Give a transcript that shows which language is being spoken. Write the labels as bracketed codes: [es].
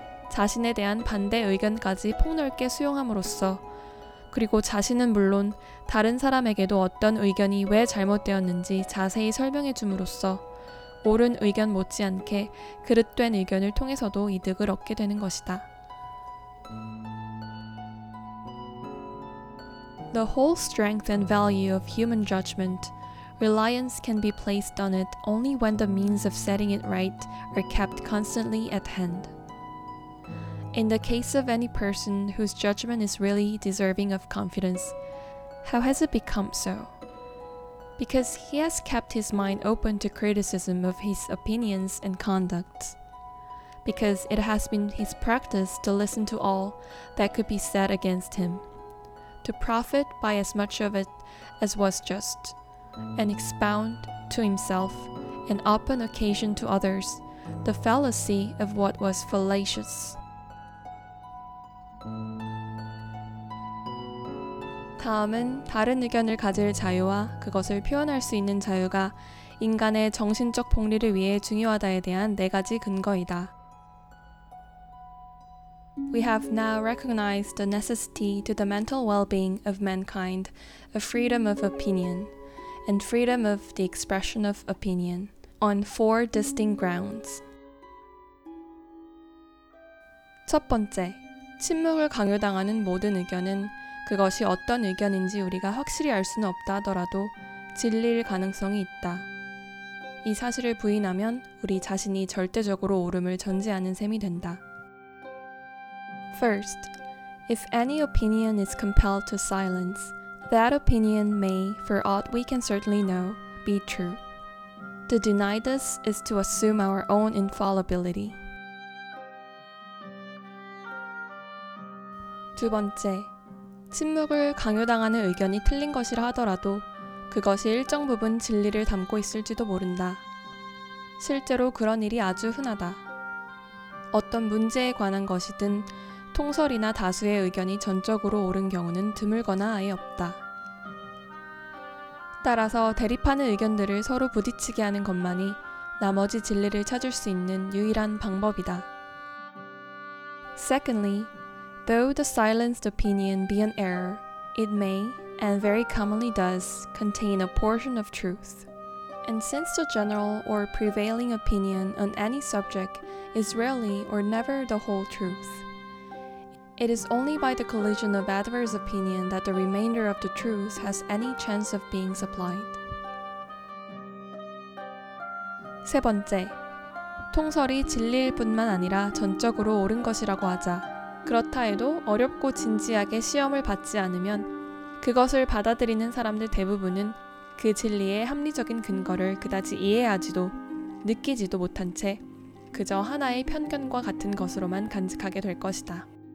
[ko] 자신에 대한 반대 의견까지 폭넓게 수용함으로써, 그리고 자신은 물론 다른 사람에게도 어떤 의견이 왜 잘못되었는지 자세히 설명해 줌으로써 옳은 의견 못지않게 그릇된 의견을 통해서도 이득을 얻게 되는 것이다. [en] The whole strength and value of human judgment, reliance can be placed on it only when the means of setting it right are kept constantly at hand. In the case of any person whose judgment is really deserving of confidence, how has it become so? Because he has kept his mind open to criticism of his opinions and conduct. Because it has been his practice to listen to all that could be said against him, to profit by as much of it as was just, and expound to himself, and upon occasion to others, the fallacy of what was fallacious. [ko] 다음은 다른 의견을 가질 자유와 그것을 표현할 수 있는 자유가 인간의 정신적 복리를 위해 중요하다에 대한 네 가지 근거이다. [en] We have now recognized the necessity to the mental well-being of mankind of freedom of opinion and freedom of the expression of opinion on four distinct grounds. [ko] 첫 번째, 침묵을 강요당하는 모든 의견은 그것이 어떤 의견인지 우리가 확실히 알 수는 없다 하더라도 진리일 가능성이 있다. 이 사실을 부인하면 우리 자신이 절대적으로 옳음을 전제하는 셈이 된다. [en] First, if any opinion is compelled to silence, that opinion may, for aught we can certainly know, be true. To deny this is to assume our own infallibility. [ko] 두 번째, 침묵을 강요당하는 의견이 틀린 것이라 하더라도 그것이 일정 부분 진리를 담고 있을지도 모른다. 실제로 그런 일이 아주 흔하다. 어떤 문제에 관한 것이든 통설이나 다수의 의견이 전적으로 옳은 경우는 드물거나 아예 없다. 따라서 대립하는 의견들을 서로 부딪히게 하는 것만이 나머지 진리를 찾을 수 있는 유일한 방법이다. [en] Secondly, though the silenced opinion be an error, it may, and very commonly does, contain a portion of truth. And since the general or prevailing opinion on any subject is rarely or never the whole truth, it is only by the collision of adverse opinion that the remainder of the truth has any chance of being supplied. [ko] 세 번째, 통설이 진리일 뿐만 아니라 전적으로 옳은 것이라고 하자. 그렇다 해도 어렵고 진지하게 시험을 받지 않으면 그것을 받아들이는 사람들 대부분은 그 진리의 합리적인 근거를 그다지 이해하지도 느끼지도 못한 채 그저 하나의 편견과 같은 것으로만 간직하게 될 것이다.